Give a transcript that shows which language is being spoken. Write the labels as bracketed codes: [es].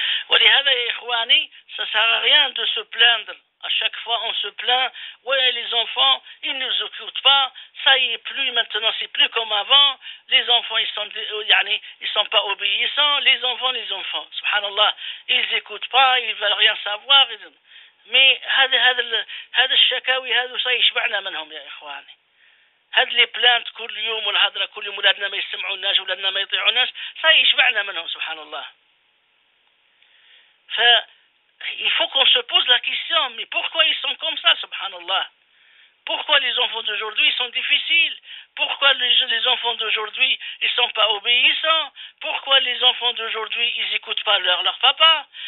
[ar] ولهذا يا إخواني سأسرى [fr] rien de se plaindre. À chaque fois on se plaint, ouais les enfants ils ne nous occupent pas, ça y est plus maintenant, c'est plus comme avant, les enfants ils sont pas obéissants, les enfants subhanallah ils écoutent pas, ils veulent rien savoir. Mais [ar] هذا الشكاوي هذا ça يشبعنا منهم يا إخواني. هذا اللي plaint كل يوم والهدرة كل يوم, ولادنا ما يسمعوناش ولادنا ما يطيعوناش, ça يشبعنا منهم subhanallah. [fr] Il faut qu'on se pose la question, mais pourquoi ils sont comme ça, subhanallah? Pourquoi les enfants d'aujourd'hui sont difficiles? Pourquoi les enfants d'aujourd'hui ne sont pas obéissants? Pourquoi les enfants d'aujourd'hui ils n'écoutent pas leur papa?